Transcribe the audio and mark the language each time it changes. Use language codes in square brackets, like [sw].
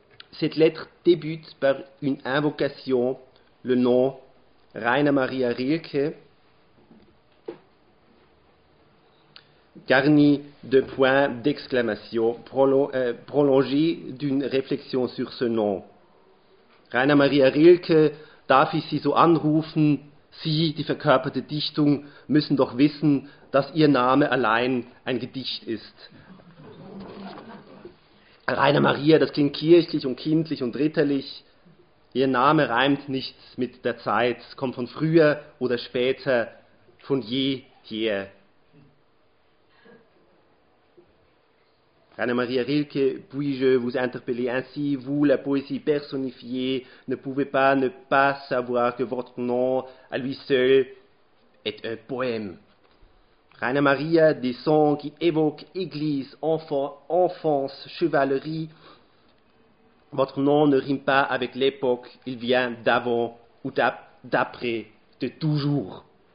[fr] Cette lettre débute par une invocation, le nom Rainer Maria Rilke, garni de points d'exclamation, prolongé d'une réflexion sur ce nom. [de] Rainer Maria Rilke, darf ich Sie so anrufen? Sie, die verkörperte Dichtung, müssen doch wissen, dass Ihr Name allein ein Gedicht ist. Rainer Maria, das klingt kirchlich und kindlich und ritterlich. Ihr Name reimt nichts mit der Zeit, kommt von früher oder später, von jeher. [fr] Rainer Maria Rilke, puis-je vous interpeller ainsi, vous, la poésie personnifiée, ne pouvez pas ne pas savoir que votre nom, à lui seul, est un poème. Rainer Maria, des sons qui évoquent église, enfance, chevalerie, votre nom ne rime pas avec l'époque, il vient d'avant ou d'après, de toujours.